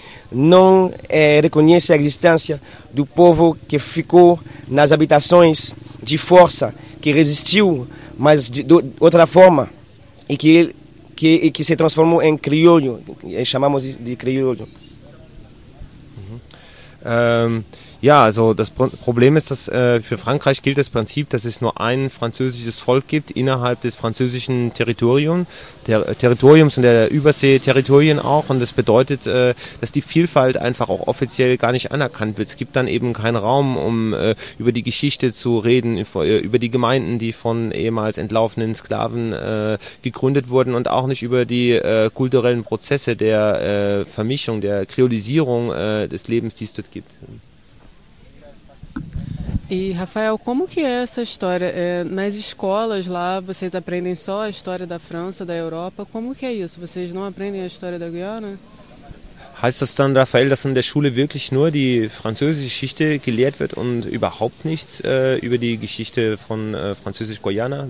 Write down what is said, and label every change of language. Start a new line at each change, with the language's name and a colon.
Portuguese: Não reconhece a existência do povo que ficou nas habitações de força, que resistiu, mas de outra forma, e que se transformou em crioulo, chamamos de crioulo.
German: Ja, also das Problem ist, dass für Frankreich gilt das Prinzip, dass es nur ein französisches Volk gibt innerhalb des französischen Territoriums und der Überseeterritorien auch. Und das bedeutet, dass die Vielfalt einfach auch offiziell gar nicht anerkannt wird. Es gibt dann eben keinen Raum, um über die Geschichte zu reden, über die Gemeinden, die von ehemals entlaufenen Sklaven gegründet wurden, und auch nicht über die kulturellen Prozesse der Vermischung, der Kreolisierung des Lebens, die es dort gibt.
Portuguese: E, Rafael, como que é essa história? Nas escolas lá, vocês aprendem só a história da França, da Europa? Como que é isso? Vocês não aprendem a história da Guiana?
German: Heißt das dann, Raphael, dass in der Schule wirklich nur die französische Geschichte gelehrt wird und überhaupt nichts über die Geschichte von Französisch-Guayana?